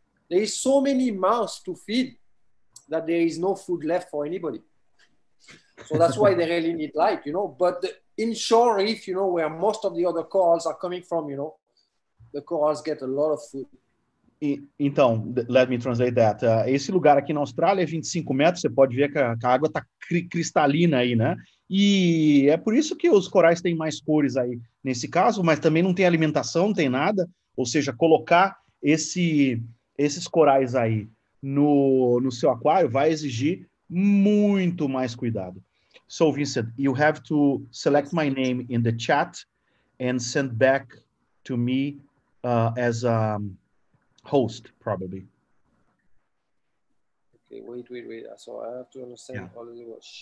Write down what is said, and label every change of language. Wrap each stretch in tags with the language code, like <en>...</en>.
<en>There is so many mouths to feed that there is no food left for anybody. So that's why they really need light, you know. But the inshore reef, you know, where most of the other corals are coming from, you know, the corals get a lot of food.</en> <pt>Então,</pt> <en>let me translate that.</en> <pt>Esse lugar aqui na Austrália é 25 metros, você pode ver que a água está cristalina aí, né? E é por isso que os corais têm mais cores aí nesse caso, mas também não tem alimentação, não tem nada. Ou seja, colocar esses corais aí no seu aquário vai exigir muito mais cuidado.</pt> <en>So, Vincent, you have to select my name in the chat and send back to me as a... host, probably. Okay, wait. So I have to understand all of you.</en>